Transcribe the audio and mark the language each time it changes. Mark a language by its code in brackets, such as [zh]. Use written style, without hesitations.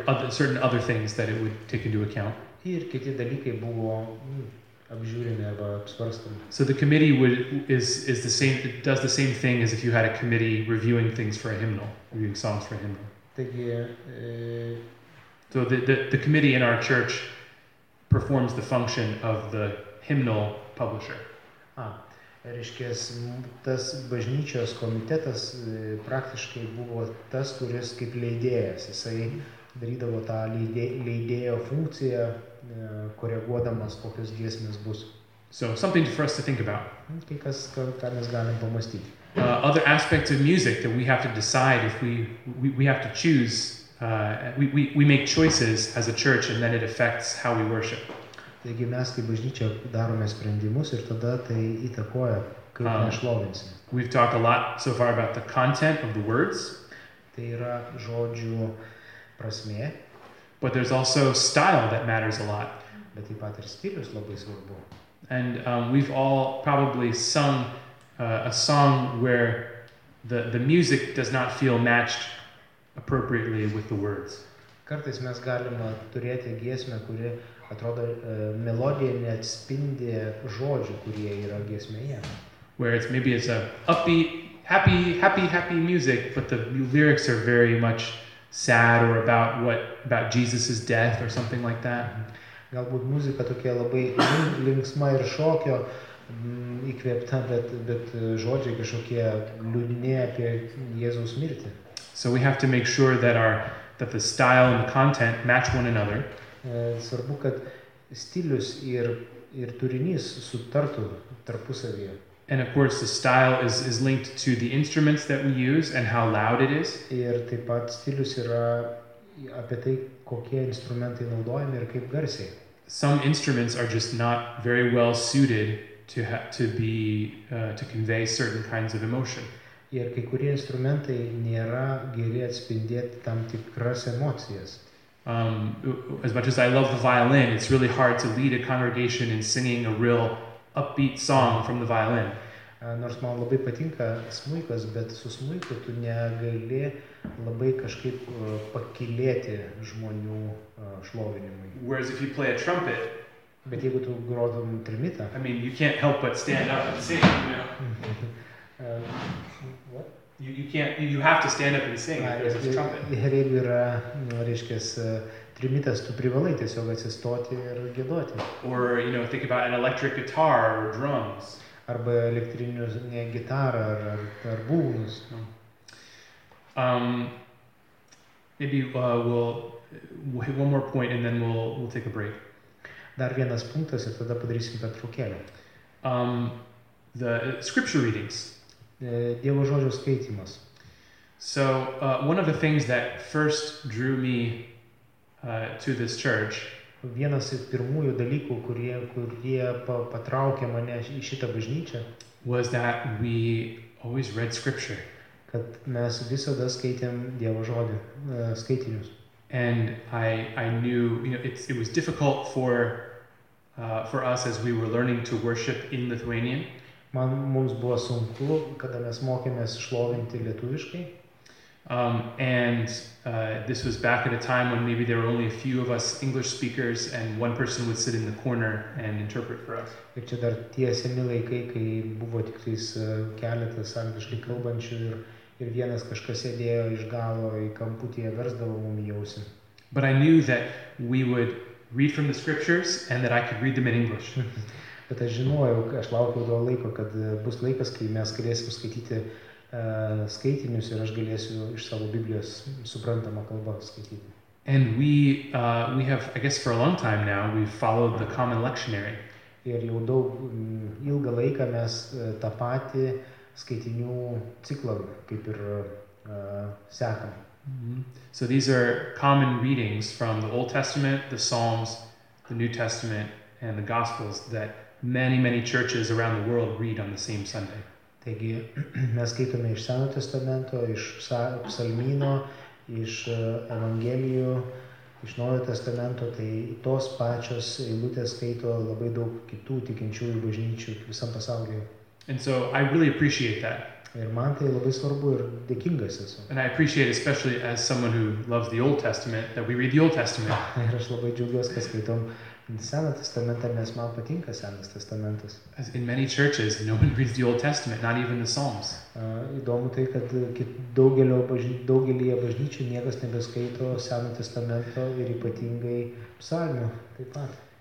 [en] Certain other things that it would take into account. [lt] Ir kiti dalykai buvo apžiūrimi arba apsvarstami. [en] So the committee does the same thing as if you had a committee reviewing things for a hymnal, reviewing songs for a hymnal. [lt] Taigi, [en] so the committee in our church performs the function of the hymnal publisher. [lt] Reiškia, tas bažnyčios komitetas praktiškai buvo tas, kuris kaip leidėjas, jisai darydavo tą leidėjo funkciją, koreguodamas, kokios giesmės bus. [en] So, something for us to think about. [lt] Kai kas, ką mes galim pamastyti. [en] Other aspects of music that we have to decide if we have to choose, we make choices as a church and then it affects how we worship. [lt] Taigi mes kaip bažnyčia darome sprendimus ir tada tai įtakoja, kaip mes šlovinsime. [en] We've talked a lot so far about the content of the words. [lt] Tai yra žodžių prasmė. [en] But there's also style that matters a lot. [lt] Bet taip pat ir stilius labai svarbu. [en] And we've all probably sung a song where the music does not feel matched appropriately with the words. [lt] Kartais mes galime turėti giesmę, kuri atrodo melodija neatspindi žodžių, kurie yra giesmėje. [en] Where it's maybe it's a upbeat, happy, happy, happy music, but the lyrics are very much sad or about Jesus's death or something like that. [lt] Galbūt muzika tokia labai linksma ir šokio įkvėpta, bet žodžiai kažkokie liūdni apie Jėzaus mirtį. [en] So we have to make sure that the style and the content match one another. [lt] Svarbu, kad stilius ir turinys sutartų tarpusavyje. [en] And of course the style is linked to the instruments that we use and how loud it is. [lt] Ir taip pat stilius yra apie tai, kokie instrumentai naudojami ir kaip garsiai. [en] Some instruments are just not very well suited to to convey certain kinds of emotion. [lt] Ir kai kurie instrumentai nėra geri atspindėti tam tikras emocijas. [en] As much as I love the violin, it's really hard to lead a congregation in singing a real upbeat song from the violin. [lt] Nors man labai patinka smuikas, bet su smuiku tu negali labai kažkaip pakilėti žmonių šlovinimui. [en] Whereas if you play a trumpet, [lt] bet jeigu tu grotum trimitą, [en] I mean, you can't help but stand up and sing, you know. What? You have to stand up and sing if there's a trumpet. [lt] Ir jeigu yra, reiškias, trimitas, tu privalai tiesiog atsistoti ir giedoti. [en] Or, you know, think about an electric guitar or drums. [lt] Arba elektrinius, ne gitarą, ar būgnus. [en] Maybe we'll one more point and then we'll take a break. [lt] Dar vienas punktas ir tada padarysim pertraukėlę. [en] The scripture readings. [lt] Dievo žodžio skaitimas. [en] So one of the things that first drew me to this church. [lt] Vienas iš pirmųjų dalykų, kurie patraukė mane į šitą bažnyčią, [en] was that we always read scripture. [lt] Kad mes visada skaitėm Dievo žodį, skaitinius. [en] And I knew, you know, it was difficult for us as we were learning to worship in Lithuanian. [lt] Man mums buvo sunku, kada mes mokėmės šlovinti lietuviškai. [en] This was back at a time when maybe there were only a few of us English speakers and one person would sit in the corner and interpret for us. [lt] Ir čia dar tie seni laikai, kai buvo tik tais keletas angliškai kalbančių ir vienas kažkas sėdėjo iš galo į kamputyje versdavo mums į ausį. [en] But I knew that we would read from the scriptures and that I could read them in English. [lt] Bet aš žinojau, aš laukiau to laiko, kad bus laikas, kai mes galėsim skaityti skaitinius ir aš galėsiu iš savo Biblijos suprantamą kalbą skaityti. [en] And we have, I guess for a long time now, we've followed the common lectionary. [lt] Ir jau daug ilgą laiką mes tą patį skaitinių ciklą kaip ir sekam. Mm-hmm. [en] So these are common readings from the Old Testament, the Psalms, the New Testament and the Gospels that many, many churches around the world read on the same Sunday. [lt] Taigi, mes skaitome iš Senojo Testamento, iš Psalmyno, iš Evangelijų, iš Naujojo Testamento, tai tos pačios eilutės skaito labai daug kitų tikinčiųjų bažnyčių visam pasaulyje. [en] And so I really appreciate that. [lt] Ir man tai labai svarbu ir dėkingas esu. [en] And I appreciate especially as someone who loves the Old Testament that we read the Old Testament. [lt] Ir aš labai džiaugiuosi, kad skaitom Seną Testamentą, nes man patinka Senas Testamentas. [en] As in many churches, no one reads the Old Testament, not even the Psalms. [lt] Įdomu tai, kad daugelyje bažnyčių niekas nebeskaito Seno Testamento ir ypatingai psalmių taip pat.